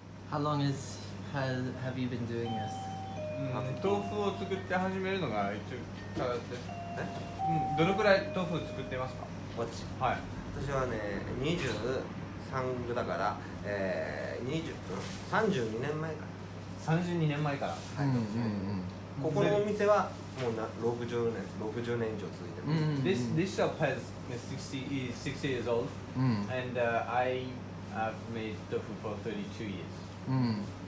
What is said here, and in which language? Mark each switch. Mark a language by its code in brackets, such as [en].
[en] How long is, have you been doing this? [ja] 豆腐を作って始めるのが一応からです。どのくらい豆腐を作ってますか？ [en] Watch. [ja] はい。私はね、23だから、32年前から。 32年前から。はい。ここのお店はもう60年以上続いてます。 [en] This shop has 60 years old, and I have made tofu for 32 years.